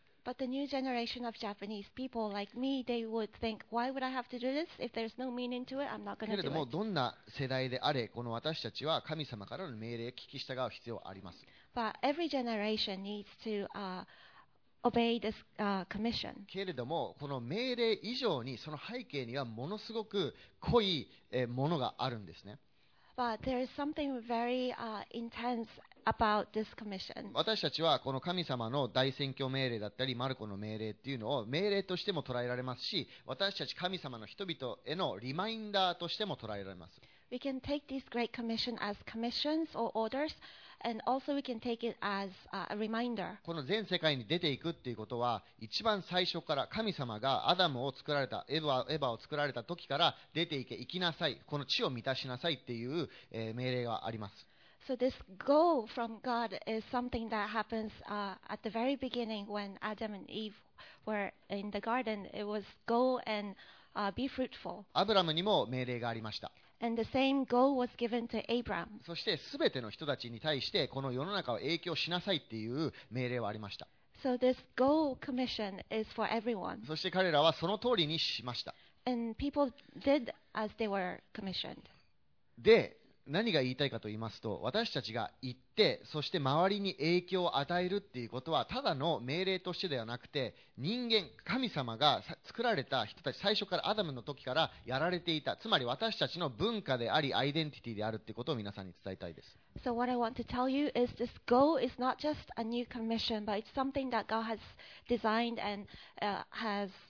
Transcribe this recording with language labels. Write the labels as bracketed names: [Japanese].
[English] But the new generation of Japanese people like me, they would think, why would I have to do this? If there's no meaning to it, I'm not going to do it. [Japanese] でもどんな世代であれ、この私たちは神様からの命令を聞き従う必要あります。 [English] But every generation needs to, obey this, commission. [Japanese] けれどもこの命令以上にその背景にはものすごく濃いものがあるんですね。 [English] But there is something very, intense. About this commission. [Japanese] 私たちはこの神様の大宣教命令だったりマルコの命令っていうのを命令としても捉えられますし、私たち神様の人々へのリマインダーとしても捉えられます。 [English] We can take this great commission as commissions or orders, and also we can take it as a reminder. [Japanese] この全世界に出ていくっていうことは、一番最初から神様がアダムを作られた、エヴァを作られた時から出ていけ、行きなさい、この地を満たしなさいっていう命令があります。 [English] So this go from God is something that happens at the very beginning when Adam and Eve were in the garden. It was go and be fruitful. [Japanese] アブラムにも命令がありました。 [English] And the same go was given to Abraham. [Japanese] そして全ての人たちに対してこの世の中を影響しなさいっていう命令はありました。 [English] So this go commission is for everyone. [Japanese] そして彼らはその通りにしました。 [English] And people did as they were commissioned. [Japanese] で、何が言いたいかと言いますと、私たちが行って、そして周りに影響を与えるっていうことは、ただの命令としてではなくて、人間、神様が作られた人たち、最初からアダムの時からやられていた、つまり私たちの文化であり、アイデンティティであるっていうことを皆さんに伝えたいです。 [English] So what I want to tell you is this go is not just a new commission, but it's something that God has designed and has...